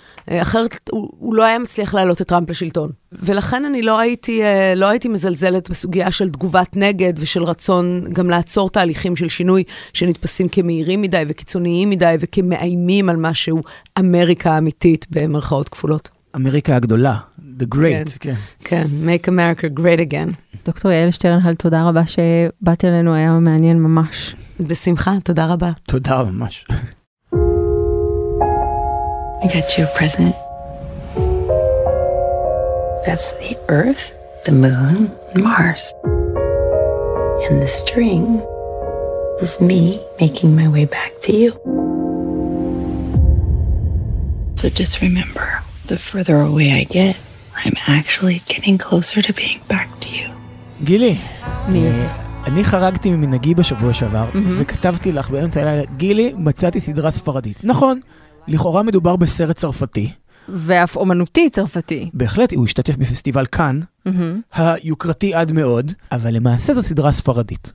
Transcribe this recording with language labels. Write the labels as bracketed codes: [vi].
[he] אחרת הוא לא היה מצליח להעלות את טראמפ לשלטון. ולכן אני לא הייתי מזלזלת בסוגיה של תגובת נגד ושל רצון גם לעצור תהליכים של שינוי שנתפסים כמהירים מדי וקיצוניים מדי וכמאיימים על משהו אמריקה אמיתית במרכאות כפולות. אמריקה הגדולה, [en] the great. כן, make America great again. [he] דוקטור יעל שטרנהל, תודה רבה שבאת אלינו, היה מעניין ממש. בשמחה, תודה רבה. תודה ממש. [en] I got you a present. That's the earth, the moon, and Mars. And the string is me making my way back to you. So just remember, the further away I get, I'm actually getting closer to being back to you. [he] גילי, אני חרגתי ממנהגי בשבוע שעבר, וכתבתי לך באמצע הלילה, גילי, מצאתי סדרה ספרדית. נכון, לכאורה מדובר בסרט צרפתי. ואף אומנותי צרפתי. בהחלט, הוא השתתף בפסטיבל קאן, היוקרתי עד מאוד, אבל למעשה זו סדרה ספרדית.